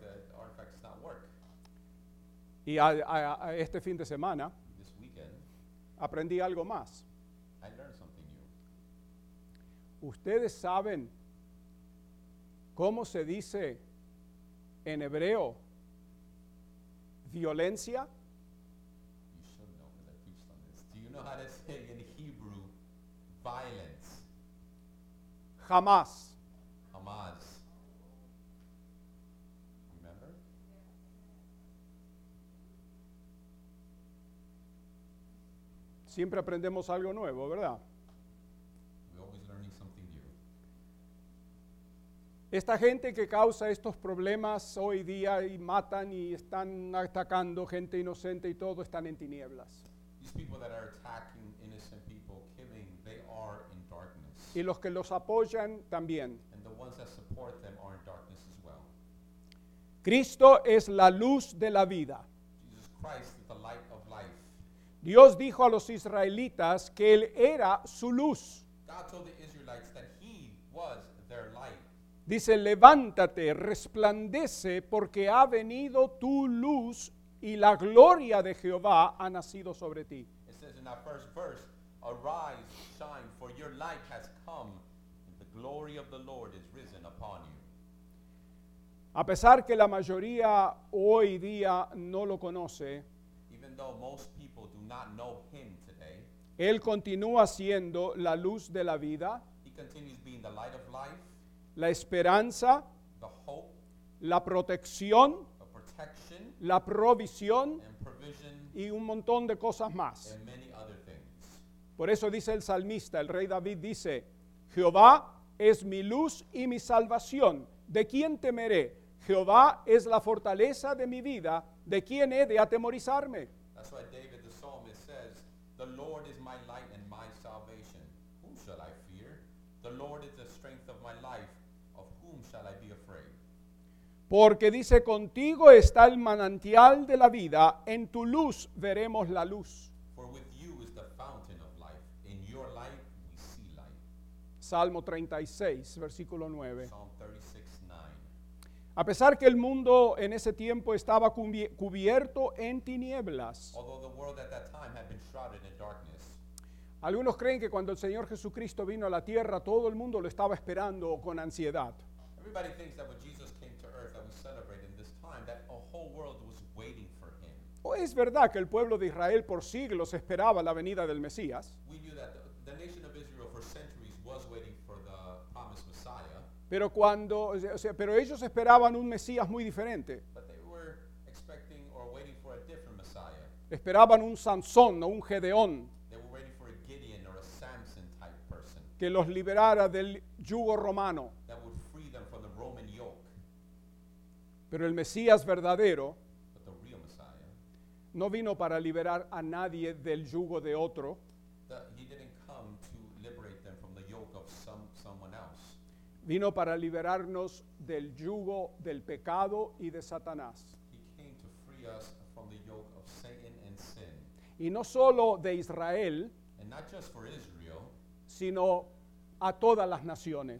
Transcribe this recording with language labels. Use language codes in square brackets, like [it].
[en] The artifact does not work. [es] Y a este fin de semana, [en] this weekend, [es] aprendí algo más. [en] I learned something new. [es] ¿Ustedes saben cómo se dice en hebreo violencia? [en] You should know because I preached on this. Do you know how to say in Hebrew violence? [he] Hamas. Hamas. [en] Remember? [es] Siempre aprendemos algo nuevo, ¿verdad? [en] We're always learning something new. [es] Esta gente que causa estos problemas hoy día y matan y están atacando gente inocente y todo, están en tinieblas. [en] These people that are attacking innocent people, killing, they are in darkness. [es] Y los que los apoyan también. [en] And the ones that support them are in darkness as well. [es] Cristo es la luz de la vida. [en] Jesus Christ is the light of life. [es] Dios dijo a los israelitas que Él era su luz. [en] God told the Israelites that He was their light. [es] Dice, levántate, resplandece, porque ha venido tu luz y la gloria de Jehová ha nacido sobre ti. [en] It says in that first verse, arise, shine, for your light has come, and the glory of the Lord is risen upon you. [es] A pesar que la mayoría hoy día no lo conoce, [en] even though most people do not know Him today, [es] Él continúa siendo la luz de la vida. [en] He continues being the light of life. [es] La esperanza. [en] The hope. [es] La protección. [en] The protection. [es] La provisión. [en] And provision. [es] Y un montón de cosas más. [en] And many other things. [es] Por eso dice el salmista, el rey David dice, Jehová es mi luz y mi salvación. ¿De quién temeré? Jehová es la fortaleza de mi vida. ¿De quién he de atemorizarme? [en] That's why David, the psalmist, says, the Lord is my light and my salvation. Whom shall I fear? The Lord is the strength of my life. Of whom shall I be afraid? [es] Porque dice, contigo está el manantial de la vida. En tu luz veremos la luz. [en] For with you is the fountain of life. In your light we see light. [es] Salmo 36, versículo 9. [en] Psalm 36, 9. [es] A pesar que el mundo en ese tiempo estaba cubierto en tinieblas. [en] Although the world at that time had been shrouded in darkness. [es] Algunos creen que cuando el Señor Jesucristo vino a la tierra, todo el mundo lo estaba esperando con ansiedad. [en] Everybody thinks that when Jesus came to earth, that we celebrate in this time, that a whole world was waiting for him. [es] ¿O es verdad que el pueblo de Israel por siglos esperaba la venida del Mesías? [en] We knew that the nation of Israel for centuries was waiting for the promised Messiah. [es] Pero cuando, o sea, pero ellos esperaban un Mesías muy diferente. [en] But they were expecting or waiting for a different Messiah. [es] Esperaban un Sansón o un Gedeón. [en] They were waiting for a Gideon or a Samson type person. [es] Que los liberara del yugo romano. [en] That would free them from the Roman yoke. [es] Pero el Mesías verdadero, [en] but the real Messiah, [es] no vino para liberar a nadie del yugo de otro. [en] He didn't come to liberate them from the yoke of someone else. [es] Vino para liberarnos del yugo del pecado y de Satanás. [en] He came to free us from the yoke of Satan and sin. [es] Y no solo de Israel, [en] and not just for Israel, [es] sino a todas las naciones.